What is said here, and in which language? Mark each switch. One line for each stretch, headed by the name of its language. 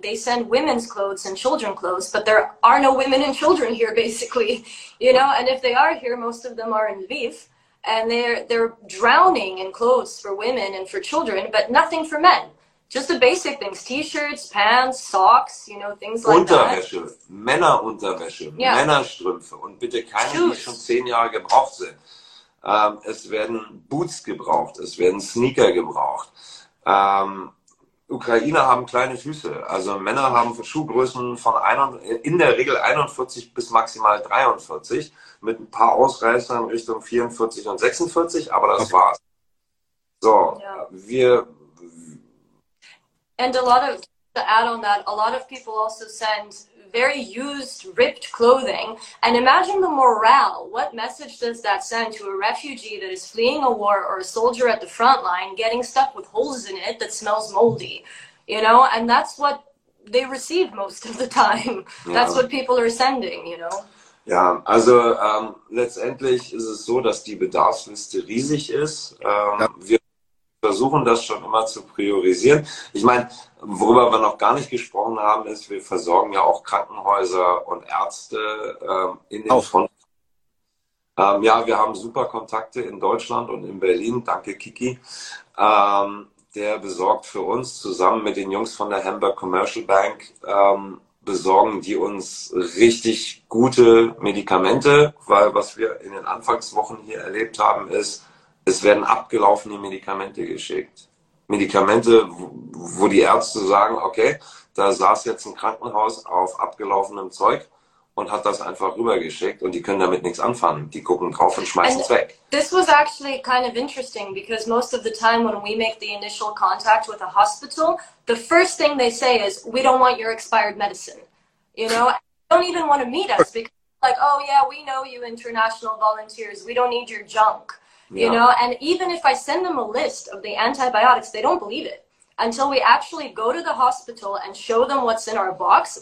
English: They send women's clothes and children clothes, but there are no women and children here, basically. You know, and if they are here, most of them are in Lviv. And they're drowning in clothes for women and for children, but nothing for men. Just the basic things, t-shirts, pants, socks, you know, things like
German: Unterwäsche, Männerunterwäsche, yeah. Männerstrümpfe und bitte keine, Shoes. Die schon 10 Jahre gebraucht sind. Es werden Boots gebraucht, es werden Sneaker gebraucht. Ukrainer haben kleine Füße, also Männer haben Schuhgrößen von in der Regel 41 bis maximal 43 mit ein paar Ausreißern Richtung 44 und 46, aber das war's.
English: So, yeah. And a lot of, to add on that, a lot of people also send very used, ripped clothing. And imagine the morale. What message does that send to a refugee that is fleeing a war or a soldier at the front line getting stuff with holes in it that smells moldy? You know, and that's what they receive most of the time. Yeah. That's what people are sending, you know.
German: Ja, also letztendlich ist es so, dass die Bedarfsliste riesig ist. Wir versuchen das schon immer zu priorisieren. Ich meine, worüber wir noch gar nicht gesprochen haben, ist, wir versorgen ja auch Krankenhäuser und Ärzte in den Front. Ja, wir haben super Kontakte in Deutschland und in Berlin. Danke, Kiki. Der besorgt für uns zusammen mit den Jungs von der Hamburg Commercial Bank, besorgen die uns richtig gute Medikamente, weil was wir in den Anfangswochen hier erlebt haben, ist, es werden abgelaufene Medikamente geschickt. Medikamente, wo die Ärzte sagen, okay, da saß jetzt ein Krankenhaus auf abgelaufenem Zeug und hat das einfach rübergeschickt und die können damit nichts anfangen. Die gucken drauf und schmeißen es weg.
English: This was actually kind of interesting because most of the time when we make the initial contact with a hospital, the first thing they say is, we don't want your expired medicine. You know, they don't even want to meet us because like, oh yeah, we know you international volunteers. We don't need your junk. Yeah. You know, and even if I send them a list of the antibiotics, they don't believe it until we actually go to the hospital and show them what's in our box.